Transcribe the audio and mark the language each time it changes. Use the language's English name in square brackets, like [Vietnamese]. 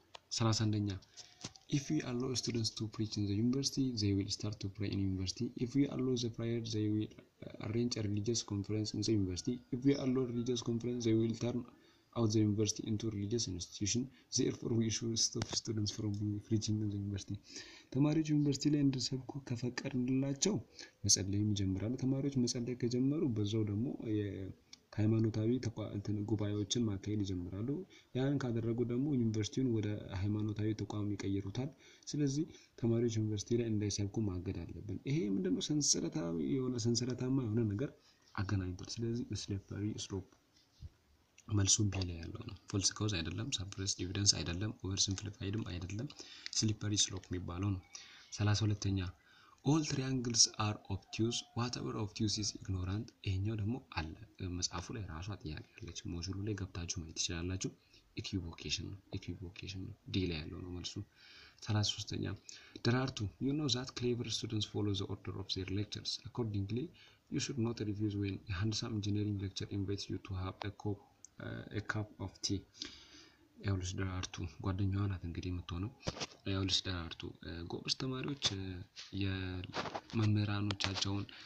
[English] Salasanya. If we allow students to preach in the university, they will start to pray in university. If we allow the prayer, they will arrange a religious conference in the university. If we allow religious conference, they will turn out the university into a religious institution. Therefore, we should stop students from preaching in the university. [Amharic] ተማሪዎች ዩኒቨርሲቲ ላይ እንደሰብኩ ከፈቀድንላቸው መጸለይም ጀምራሉ። ተማሪዎች መጸለይ ከጀመሩ በዛው ደግሞ ሃይማኖታዊ ተቋማትን ጉባኤዎችን ማካሄድ ይጀምራሉ። ያን ካደረጉ ደግሞ ዩኒቨርሲቲውን ወደ ሃይማኖታዊ ተቋም ይቀይሩታል። ስለዚህ ተማሪዎች ዩኒቨርሲቲ ላይ እንዳይሰብኩ ማገድ አለብን። ይሄ ምንድነው ሰንሰለታዊ የሆነ ሰንሰለታማ የሆነ ነገር አገናኝቷል። ስለዚህ ስሌፐሪ ስሎፕ መልሱ ቢ ላይ ያለው ነው። ፎልስ ኮዝ አይደለም፣ ሰፕረስድ ኤቪደንስ አይደለም፣ ኦቨር ሲምፕሊፋይድም አይደለም፣ ስሌፐሪ ስሎፕ የሚባለው ነው። 32ኛ [English] All triangles are obtuse. Whatever obtuse is ignorant. [Amharic] ይሄኛው ደግሞ አለ መጽሐፉ ላይ ራሷ ጥያቄ አለች። ሞጁሉ ላይ ገብታችሁ ማየት ትችላላችሁ። Equivocation ነው። ዲ ላይ ያለው ነው መልሱ። 33ኛ There are two. [English] You know that clever students follow the order of their lectures. Accordingly, you should not refuse when a handsome engineering lecturer invites you to have a cup of tea. [Amharic] ኤውልስ ደራርቱ ጓደኛዋ ናት እንግዲህ የምትሆነው። ኤውልስ ደራርቱ ጎበዝ ተማሪዎች የመምህራኖቻቸውን